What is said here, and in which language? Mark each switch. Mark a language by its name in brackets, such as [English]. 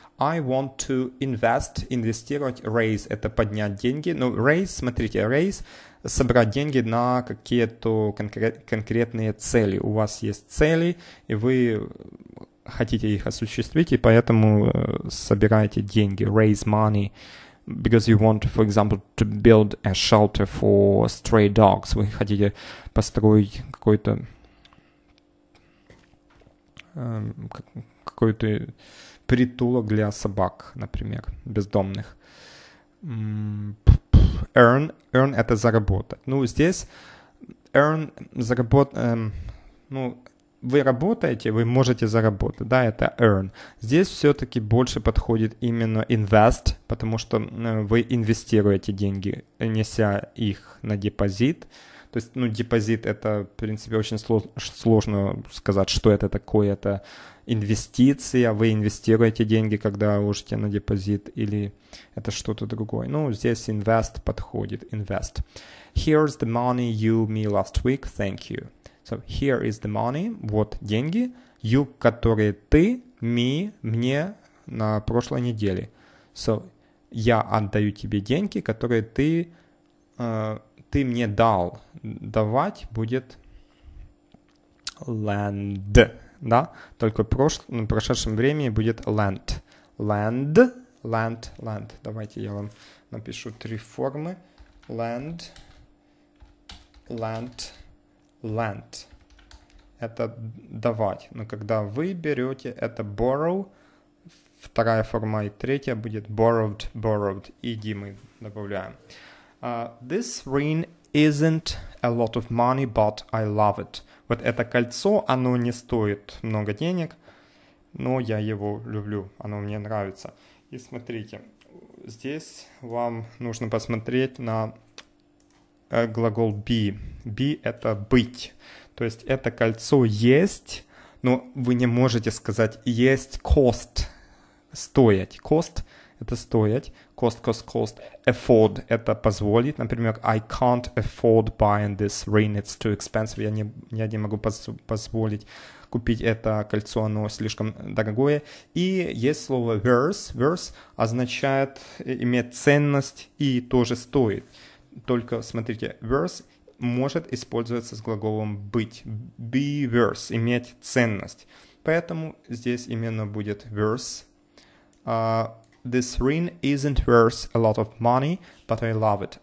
[English] I want to invest, [Russian] инвестировать, [English] raise – [Russian] это поднять деньги. Ну, raise, смотрите, raise – собрать деньги на какие-то конкретные цели. У вас есть цели, и вы хотите их осуществить, и поэтому собираете деньги. [English] Raise money, because you want, for example, to build a shelter for stray dogs. [Russian] Вы хотите построить какой-то... какой-то притулок для собак, например, бездомных. Earn. Earn – это заработать. Ну, здесь earn – заработать. Ну, вы работаете, вы можете заработать. Да, это earn. Здесь все-таки больше подходит именно invest, потому что вы инвестируете деньги, неся их на депозит. То есть, ну, депозит – это, в принципе, очень сложно сказать, что это такое. Это инвестиция, вы инвестируете деньги, когда ложите на депозит, или это что-то другое. Ну, здесь invest подходит, invest. [English] Here's the money you me last week, thank you. So, here is the money, [Russian] вот деньги, you, которые ты, me, мне на прошлой неделе. So, я отдаю тебе деньги, которые ты... ты мне дал, давать будет lend, да? Только в прошедшем времени будет lend. [English] Lend, lend, lend. [Russian] Давайте я вам напишу три формы. [English] Lend, lend, lend. [Russian] Это давать. Но когда вы берете, это borrow. Вторая форма и третья будет borrowed, borrowed. Иди мы добавляем. [English] This ring isn't a lot of money, but I love it. [Russian] Вот это кольцо, оно не стоит много денег, но я его люблю, оно мне нравится. И смотрите, здесь вам нужно посмотреть на глагол be. Be – это быть. То есть это кольцо есть, но вы не можете сказать есть cost, стоить. Cost – это стоить. Cost, cost, cost. Afford – это позволить. Например, [English] I can't afford buying this ring. It's too expensive. [Russian] Я не могу позволить купить это кольцо. Оно слишком дорогое. И есть слово worth. Worth означает иметь ценность и тоже стоит. Только смотрите, worth может использоваться с глаголом быть. Be worth – иметь ценность. Поэтому здесь именно будет worth. [English] This ring isn't worth a lot of money, but I love it.